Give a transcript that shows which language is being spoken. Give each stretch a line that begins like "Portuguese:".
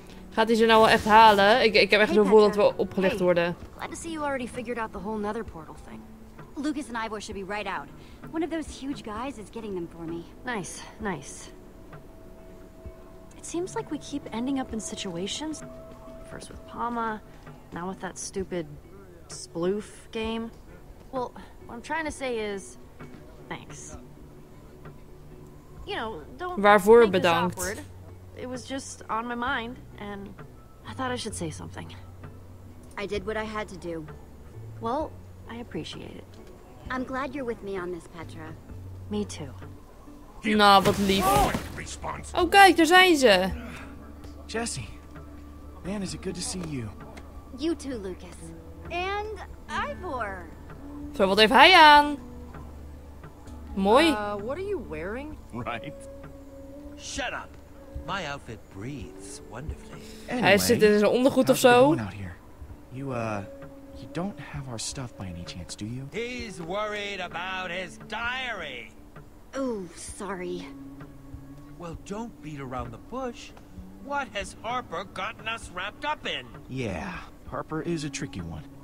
Dutch: Gaat hij ze nou wel echt halen? Ik heb echt het gevoel dat we opgelicht worden.
English: Hey, glad to see you already figured out the whole nether portal thing. Lucas and Ivor should be right out. One of those huge guys is getting them for me. Nice, nice. It seems like we keep ending up in situations. First with Palma, now with that stupid sploof game. Well, what I'm trying to say is, thanks. You know, don't
Dutch: waarvoor bedankt.
English: It was just on my mind, and I thought I should say something. I did what I had to do. Well, I appreciate it. I'm glad you're with me on this, Petra. Me too.
Dutch: Nou, wat lief. Oh, kijk, daar zijn ze.
English: Jesse, man, is it good to see you. You too, Lucas. And Ivor.
Dutch: Zo, wat heeft hij aan? Mooi.
English: What are you wearing? Right. Shut up. My outfit breathes wonderfully.
Dutch: Anyway, hij zit in zijn ondergoed of zo.
English: You don't have our stuff by any chance, do you? He's worried about his diary. Oh, sorry. Well, don't beat around the bush. What has Harper gotten us wrapped up in? Yeah, Harper is a tricky one.